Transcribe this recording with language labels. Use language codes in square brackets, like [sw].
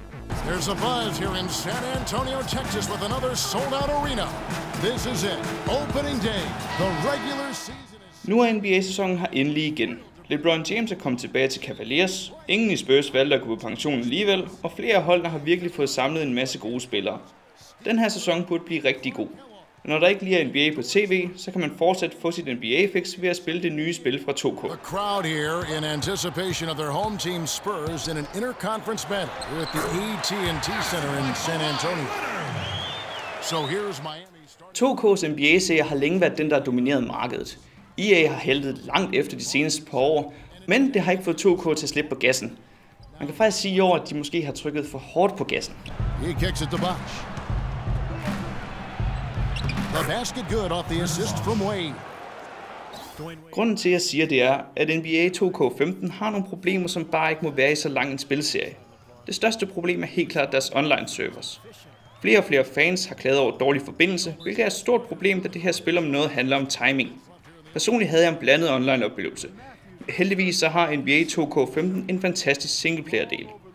[en] There's a buzz here in San Antonio, Texas with another sold-out arena. This is it. Opening day. The regular season is... [da] Nu er NBA-sæsonen her endelig igen. LeBron James er kommet tilbage til Cavaliers, ingen i Spurs valgte at gå på pension alligevel, og flere af holdene har virkelig fået samlet en masse gode spillere. Den her sæson burde blive rigtig god. Men når der ikke lige er NBA på tv, så kan man fortsat få sit NBA-fix ved at spille det nye spil fra 2K. [en] The crowd here in anticipation of their home team Spurs in an interconference battle at the AT&T Center in San Antonio. So here's Miami starting... [da] 2K's NBA-serie har længe været den, der har domineret markedet. EA har hældet langt efter de seneste par år, men det har ikke fået 2K til at slippe på gassen. Man kan faktisk sige i år, at de måske har trykket for hårdt på gassen. [en] He kicks it to Bosh. The basket good off the assist from Wade. [da] Grunden til, at jeg siger det er, at NBA 2K15 har nogle problemer, som bare ikke må være i så lang en spilserie. Det største problem er helt klart deres online servers. Flere og flere fans har klaget over dårlig forbindelse, hvilket er et stort problem, da det her spil om noget handler om timing. Personligt havde jeg en blandet online-oplevelse. Heldigvis så har NBA 2K15 en fantastisk singleplayer-del.